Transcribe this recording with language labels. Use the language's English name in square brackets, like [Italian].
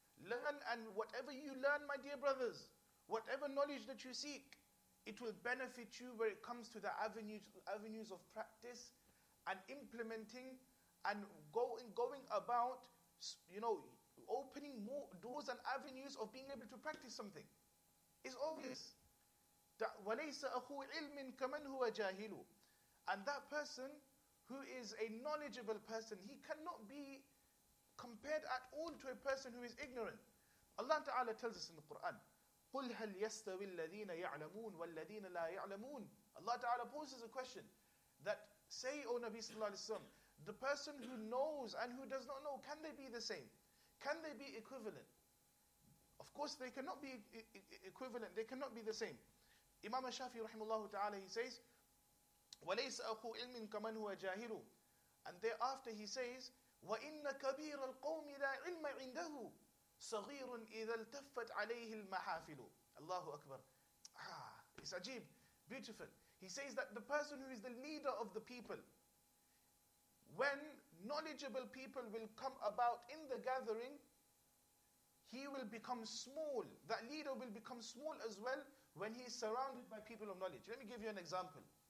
[English] Learn, and whatever you learn, my dear brothers, whatever knowledge that you seek, it will benefit you where it comes to the avenues of practice and implementing and going about, you know, opening more doors and avenues of being able to practice something. It's obvious. [Arabic] وَلَيْسَ أَخُوْ عِلْمٍ كَمَنْ هُوَ جَاهِلُ. [English] And that person who is a knowledgeable person, he cannot be compared at all to a person who is ignorant. Allah Ta'ala tells us in the Quran, [Arabic] قُلْ هَلْ يَسْتَوِي الَّذِينَ يَعْلَمُونَ وَالَّذِينَ لَا يَعْلَمُونَ. [English] Allah Ta'ala poses a question that, say, O Nabi Sallallahu Alaihi Wasallam, the person who knows and who does not know, can they be the same? Can they be equivalent? Of course, they cannot be equivalent. They cannot be the same. Imam al-Shafi, rahimahullah ta'ala, he says, [Arabic] وَلَيْسَ أَخُوْ عِلْمٍ كَمَنْ هُوَ جَاهِلُ. [English] And thereafter he says, [Arabic] وَإِنَّ كَبِيرَ الْقَوْمِ لَا عِلْمَ عِنْدَهُ صَغِيرٌ إِذَا الْتَفَّتْ عَلَيْهِ الْمَحَافِلُ. [English] Allahu Akbar. Ah, it's ajib, beautiful. He says that the person who is the leader of the people, when knowledgeable people will come about in the gathering, he will become small. That leader will become small as well when he is surrounded by people of knowledge. Let me give you an example.